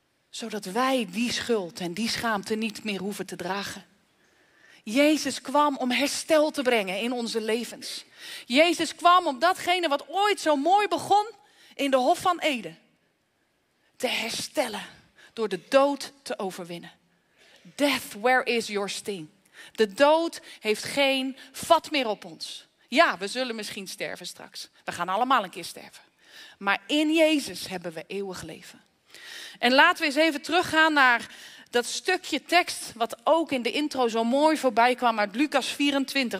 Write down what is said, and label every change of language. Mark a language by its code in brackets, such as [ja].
[nl] Zodat wij die schuld en die schaamte niet meer hoeven te dragen. Jezus kwam om herstel te brengen in onze levens. Jezus kwam om datgene wat ooit zo mooi begon in de Hof van Eden te herstellen door de dood te overwinnen. [en] Death, where is your sting? [nl] De dood heeft geen vat meer op ons. Ja, we zullen misschien sterven straks. We gaan allemaal een keer sterven. Maar in Jezus hebben we eeuwig leven. En laten we eens even teruggaan naar dat stukje tekst wat ook in de intro zo mooi voorbij kwam uit Lucas 24.